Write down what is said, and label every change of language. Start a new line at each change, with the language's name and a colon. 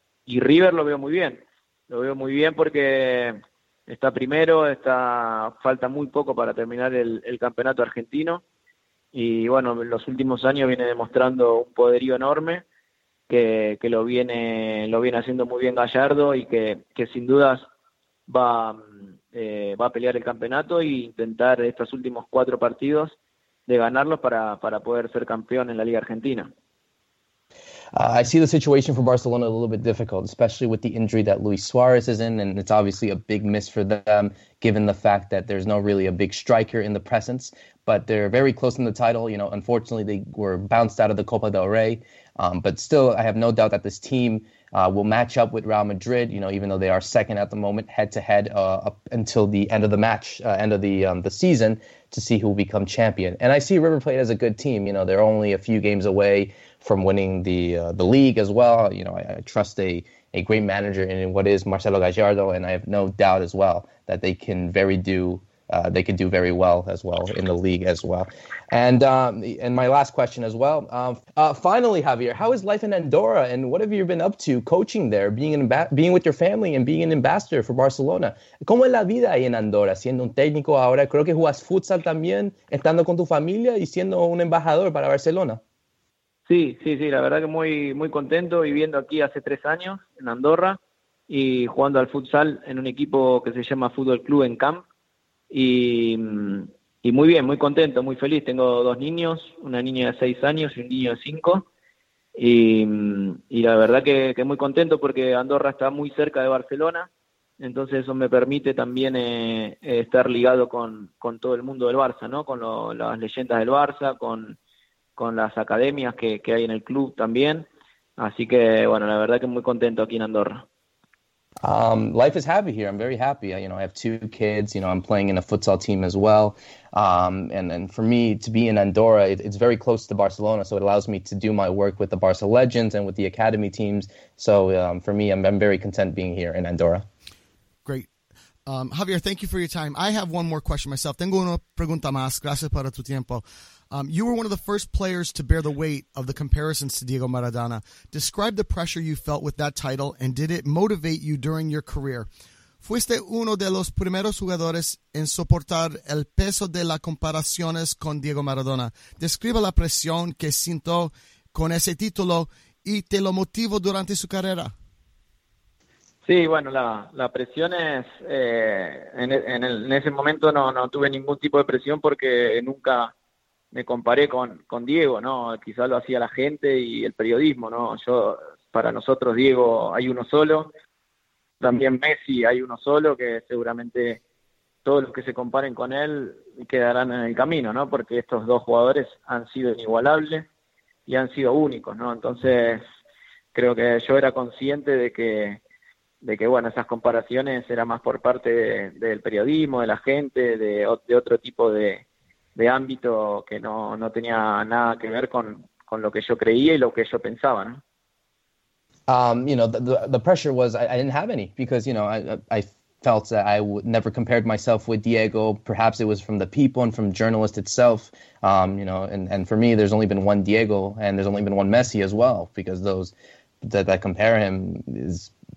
Spanish: Y River lo veo muy bien porque está primero, falta muy poco para terminar el campeonato argentino, y bueno, en los últimos años viene demostrando un poderío enorme que lo viene haciendo muy bien Gallardo, y que sin dudas va a pelear el campeonato e intentar estos últimos cuatro partidos de ganarlos para poder ser campeón en la Liga Argentina.
English: I see the situation for Barcelona a little bit difficult, especially with the injury that Luis Suarez is in, and it's obviously a big miss for them, given the fact that there's no really a big striker in the presence, but they're very close in the title. You know, unfortunately, they were bounced out of the Copa del Rey, but still, I have no doubt that this team will match up with Real Madrid, you know, even though they are second at the moment, head-to-head up until the end of the match, end of the season, to see who will become champion. And I see River Plate as a good team. You know, they're only a few games away from winning the league as well. You know, I trust a great manager in what is Marcelo Gallardo, and I have no doubt as well that they can do very well as well in the league as well. And my last question as well. Finally, Javier, how is life in Andorra, and what have you been up to coaching there, being with your family and being an ambassador for Barcelona?
Spanish: ¿Cómo es la vida ahí en Andorra, siendo un técnico ahora? Creo que juegas futsal también, estando con tu familia y siendo un embajador para Barcelona. Sí, sí, sí, la verdad que muy, muy contento viviendo aquí hace 3 años en Andorra y jugando al futsal en un equipo que se llama Fútbol Club en Camp. Y muy bien, muy contento, muy feliz. Tengo dos niños, una niña de 6 años y un niño de 5. Y la verdad que muy contento porque Andorra está muy cerca de Barcelona. Entonces eso me permite también estar ligado con todo el mundo del Barça, ¿no? Con las leyendas del Barça, con las academias que hay en el club también. Así que, bueno, la verdad que muy contento aquí en Andorra.
English: Life is happy here. I'm very happy. You know, I have two kids. You know, I'm playing in a futsal team as well. And for me to be in Andorra, it's very close to Barcelona, so it allows me to do my work with the Barca legends and with the academy teams. So for me, I'm very content being here in Andorra. Great. Javier, thank you for your time. I have one more question myself.
Spanish: Tengo una pregunta más. Gracias para tu tiempo.
English: You were one of the first players to bear the weight of the comparisons to Diego Maradona. Describe the pressure you felt with that title, and did it motivate you during your career?
Spanish: Fuiste uno de los primeros jugadores en soportar el peso de las comparaciones con Diego Maradona. Describe la presión que sintió con ese título y te lo motivó durante su carrera. Sí, bueno, la presión es... En ese momento no tuve ningún tipo de presión porque nunca me comparé con Diego, ¿no? Quizás lo hacía la gente y el periodismo, ¿no? Yo, para nosotros, Diego, hay uno solo. También Messi, hay uno solo, que seguramente todos los que se comparen con él quedarán en el camino, ¿no? Porque estos dos jugadores han sido inigualables y han sido únicos, ¿no? Entonces, creo que yo era consciente de que bueno, esas comparaciones eran más por parte del periodismo, de la gente, de otro tipo de ámbito que no tenía nada que ver con lo que yo creía y lo que yo pensaba, ¿no?
English: You know, the pressure was I didn't have any because, you know, I felt that I never compared myself with Diego. Perhaps it was from the people and from journalists itself, you know, and for me, there's only been one Diego and there's only been one Messi as well, because those that compare him is...